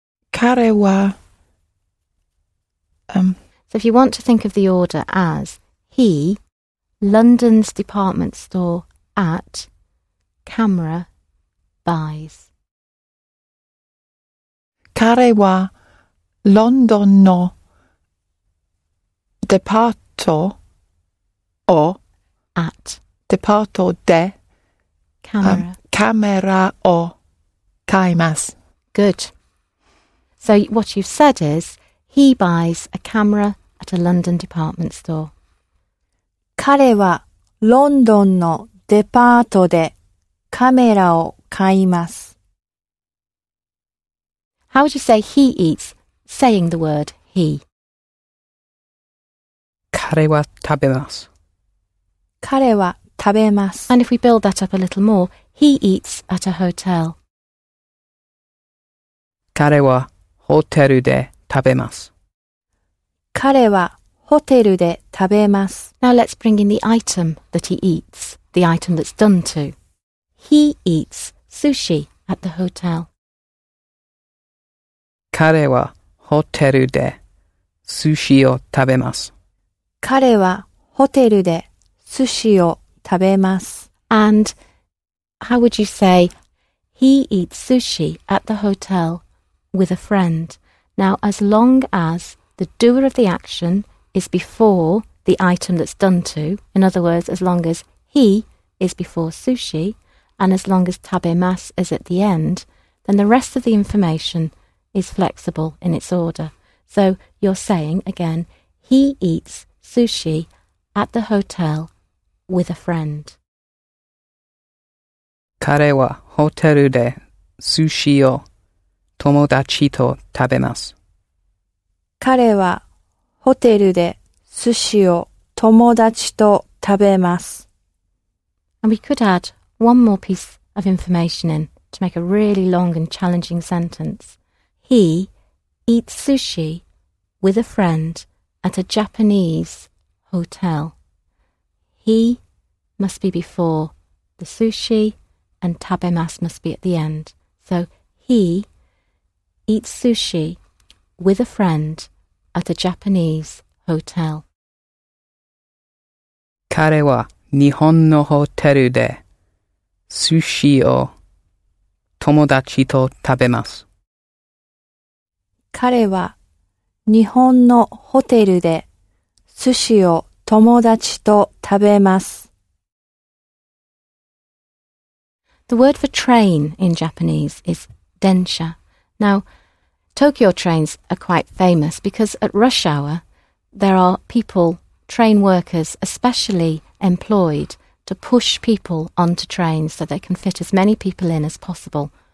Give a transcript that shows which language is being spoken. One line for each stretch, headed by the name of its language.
Japanese: 彼は、
English: So, if you want to think of the order as, he, London's department store at, camera, buys.
Japanese: 彼はロンドンのデパートを
English: at
Japanese: デパートでカメラを買います。
English: Good. So what you've said is, he buys a camera at a London department store.
Japanese: 彼はロンドンのデパートでカメラを買います。
English: How would you say he eats, saying the word he?
Japanese: 彼は食べます。彼は食べます。
English: And if we build that up a little more, he eats at a hotel.
Japanese: 彼はホテルで食べます。彼はホテルで食べます。
English: Now let's bring in the item that he eats, the item that's done to. He eats sushi at the hotel.
Japanese: 彼はホテルで寿司を食べます。彼はホテルで寿司を食べます。
English: And how would you say, he eats sushi at the hotel with a friend? Now, as long as the doer of the action is before the item that's done to, in other words, as long as he is before sushi, and as long as tabemas is at the end, then the rest of the information is flexible in its order. So you're saying, again, he eats sushi at the hotel with a friend.
Japanese: 彼はホテルで寿司を友達と食べます。彼はホテルで寿司を友達と食べます。
English: And we could add one more piece of information in to make a really long and challenging sentence. He eats sushi with a friend at a Japanese hotel. He must be before the sushi and tabemas must be at the end. So he eats sushi with a friend at a Japanese hotel.
Japanese: 彼は日本のホテルで寿司を友達と食べます。彼は日本のホテルで寿司を友達と食べます。
English: The word for train in Japanese is 電車. Now, Tokyo trains are quite famous because at rush hour, there are people, train workers, especially employed to push people onto trains so they can fit as many people in as possible.